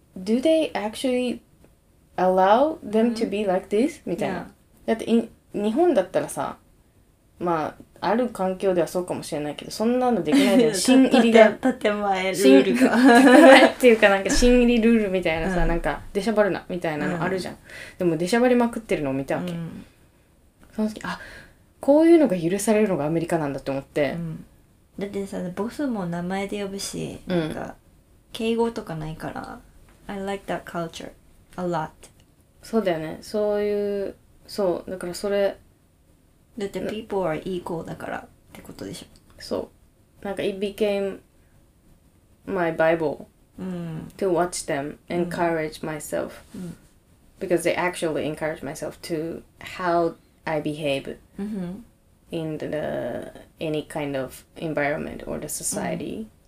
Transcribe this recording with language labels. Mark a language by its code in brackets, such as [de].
[en] Do they actually allow them to be like this? [ja] みたいな だって日本だったらさ まあある環境ではそうかもしれないけど、そんなのできないじゃん。新入りが建前ルールが。建前っていうか、なんか新入りルールみたいなさ なんかでしゃばるなみたいなのあるじゃん。でもでしゃばりまくってるのを見たわけ。その時、あ こういうのが許されるのがアメリカなんだって思ってだってさ、ボスも名前で呼ぶし なんか敬語とかないから [en] I like that culture a lot. [ja] そうだよね、そういう、そう、だからそれだって [en] people are equal [ja] だからってことでしょそう、なんか [en] it became my bible to watch them, encourage myself because they actually encourage myself to how I behave in the any kind of environment or the society.